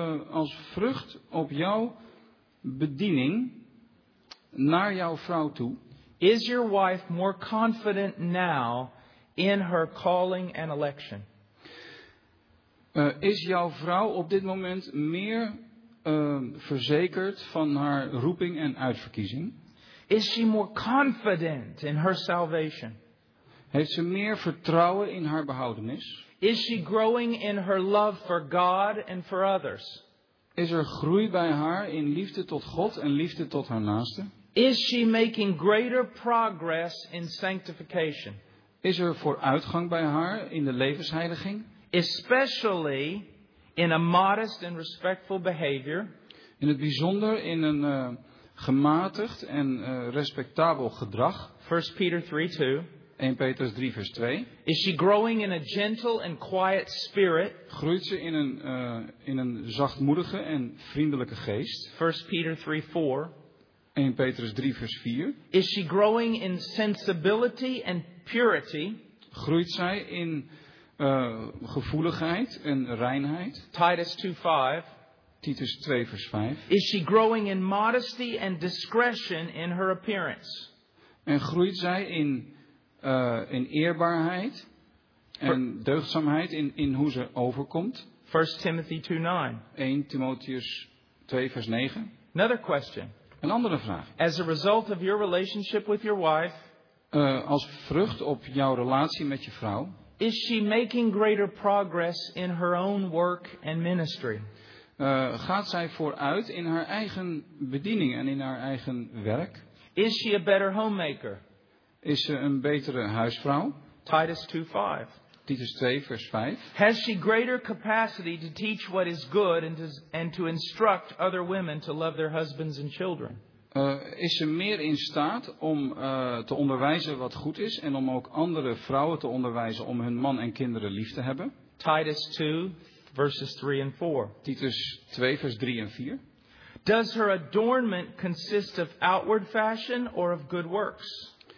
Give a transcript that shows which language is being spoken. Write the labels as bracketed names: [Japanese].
[Dutch] Als vrucht op jouw bediening naar jouw vrouw toe. [English] Is your wife more confident now in her calling and election? [Dutch] Is jouw vrouw op dit moment meer verzekerd van haar roeping en uitverkiezing? [English] Is she more confident in her salvation? [Dutch] Heeft ze meer vertrouwen in haar behoudenis? [English] Is she growing in her love for God and for others? [Dutch] Is er groei bij haar in liefde tot God en liefde tot haar naaste? [English] Is she making greater progress in sanctification? [Dutch] Is er vooruitgang bij haar in de levensheiliging? [English] Especially in a modest and respectful behavior. [Dutch] In het bijzonder in een gematigd en respectabel gedrag. [English] 1 Peter 3:2. [Dutch] 1 Petrus 3 vers 2. [English] Is she growing in a gentle and quiet spirit? [Dutch] Groeit ze in een zachtmoedige en vriendelijke geest? [English] 1 Peter 3 4. [Dutch] 1 Petrus 3 vers 4. [English] Is she growing in sensibility and purity? [Dutch] Groeit zij in gevoeligheid en reinheid? [English] Titus 2 5. [Dutch] Titus 2 vers 5. [English] Is she growing in modesty and discretion in her appearance? [Dutch] En groeit zij in eerbaarheid en deugdzaamheid in hoe ze overkomt. [English] 1 Timothy 2:9. [Dutch] 1 Timotheus 2 vers 9. [English] Another question. [Dutch] Een andere vraag. [English] As a result of your relationship with your wife, [Dutch] als vrucht op jouw relatie met je vrouw, [English] is she making greater progress in her own work and ministry? [Dutch] Gaat zij vooruit in haar eigen bediening en in haar eigen werk? [English] Is she a better homemaker? [Dutch] Is ze een betere huisvrouw? [English] Titus 2, 5. [Dutch] Titus 2, vers 5. [English] Has she greater capacity to teach what is good and to instruct other women to love their husbands and children? [Dutch] Is ze meer in staat om te onderwijzen wat goed is en om ook andere vrouwen te onderwijzen om hun man en kinderen lief te hebben? [English] Titus 2, verses 3 and 4. [Dutch] Titus 2, vers 3 en 4. [English] Does her adornment consist of outward fashion or of good works?